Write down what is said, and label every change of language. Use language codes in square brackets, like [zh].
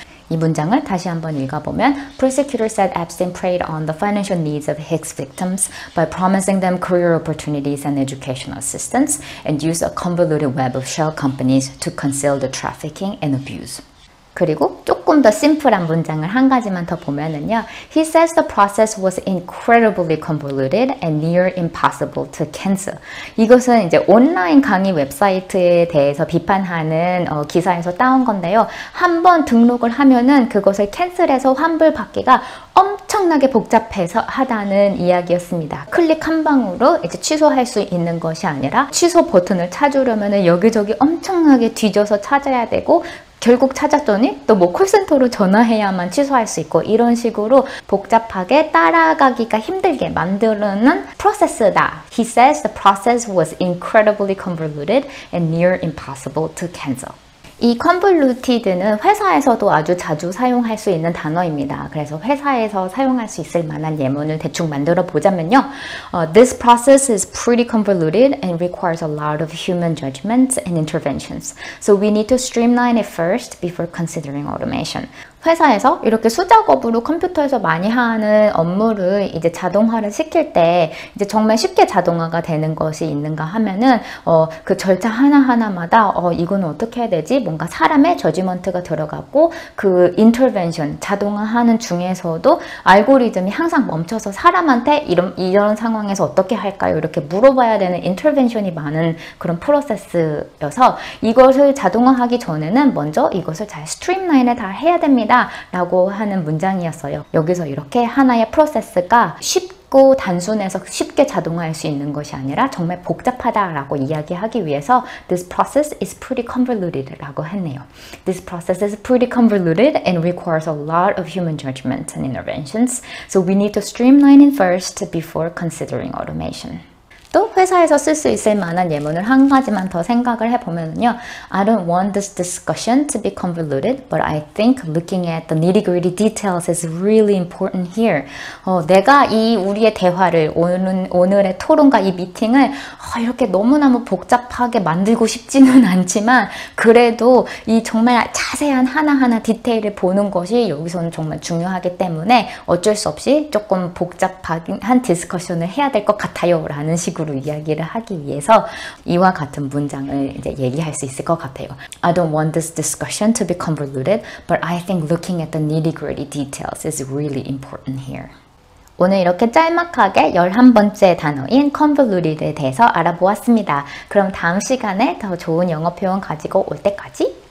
[ko] 이 문장을 다시 한번 읽어보면, [en] Prosecutor said Epstein preyed on the financial needs of his victims by promising them career opportunities and educational assistance and used a convoluted web of shell companies to conceal the trafficking and abuse. [ko] 그리고 조금 더 심플한 문장을 한 가지만 더 보면은요. [en] He says the process was incredibly convoluted and near impossible to cancel. [ko] 이것은 이제 온라인 강의 웹사이트에 대해서 비판하는 기사에서 따온 건데요. 한번 등록을 하면은 그것을 캔슬해서 환불 받기가 엄청나게 복잡해서 하다는 이야기였습니다. 클릭 한 방으로 이제 취소할 수 있는 것이 아니라 취소 버튼을 찾으려면은 여기저기 엄청나게 뒤져서 찾아야 되고 결국 찾았더니 또뭐 콜센터로 전화해야만 취소할 수 있고 이런 식으로 복잡하게 따라가기가 힘들게 만드는 프로세스다. [en] He says the process was incredibly convoluted and near impossible to cancel. [ko] 이 convoluted는 회사에서도 아주 자주 사용할 수 있는 단어입니다. 그래서 회사에서 사용할 수 있을 만한 예문을 대충 만들어 보자면요. [en] This process is pretty convoluted and requires a lot of human judgments and interventions. So we need to streamline it first before considering automation. [ko] 회사에서 이렇게 수작업으로 컴퓨터에서 많이 하는 업무를 이제 자동화를 시킬 때 이제 정말 쉽게 자동화가 되는 것이 있는가 하면은 그 절차 하나하나마다 이거는 어떻게 해야 되지? 뭔가 사람의 저지먼트가 들어갔고 그 인터벤션 자동화하는 중에서도 알고리즘이 항상 멈춰서 사람한테 이런 상황에서 어떻게 할까요? 이렇게 물어봐야 되는 인터벤션이 많은 그런 프로세스여서 이것을 자동화하기 전에는 먼저 이것을 잘 스트림라인에 다 해야 됩니다. 라고 하는 문장이었어요. 여기서 이렇게 하나의 프로세스가 쉽게 쉽고 단순해서 쉽게 자동화할 수 있는 것이 아니라 정말 복잡하다라고 이야기하기 위해서 [en] this process is pretty convoluted [ko] 라고 했네요. [en] This process is pretty convoluted and requires a lot of human judgment and interventions. So we need to streamline it first before considering automation. [ko] 또 회사에서 쓸 수 있을 만한 예문을 한 가지만 더 생각을 해보면요. [en] I don't want this discussion to be convoluted, but I think looking at the nitty-gritty details is really important here. [ko] 내가 이 우리의 대화를, 오늘의 토론과 이 미팅을 이렇게 너무나무 복잡하게 만들고 싶지는 않지만 그래도 이 정말 자세한 하나하나 디테일을 보는 것이 여기서는 정말 중요하기 때문에 어쩔 수 없이 조금 복잡한 디스커션을 해야 될 것 같아요 라는 식 으로 이야기를 하기 위해서 이와 같은 문장을 이제 얘기할 수 있을 것 같아요. [en] I don't want this discussion to be convoluted, but I think looking at the nitty-gritty details is really important here. [ko] 오늘 이렇게 짤막하게 11번째 단어인 convoluted에 대해서 알아보았습니다. 그럼 다음 시간에 더 좋은 영어 표현 가지고 올 때까지